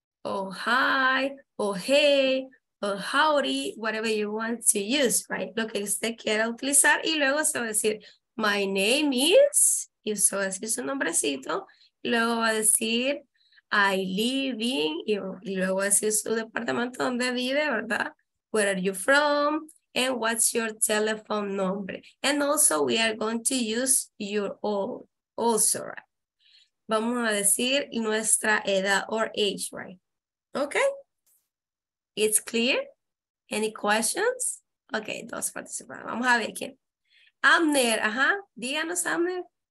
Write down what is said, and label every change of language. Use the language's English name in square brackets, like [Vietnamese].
[English] Oh, hi, oh, hey, oh, howdy, whatever you want to use, right? [Spanish] Lo que usted quiera utilizar y luego se va a decir, [English] my name is, [Spanish] y se va a decir su nombrecito, y luego va a decir, [English] I live in, [Spanish] y luego va a decir su departamento donde vive, ¿verdad? [English] Where are you from? And what's your telephone number? And also we are going to use your old, also, right? [Spanish] Vamos a decir nuestra edad, [English] or age, right? Okay, it's clear. Any questions? [Spanish] Okay, dos participantes. Vamos a ver quién. Amner, díganos, Amner.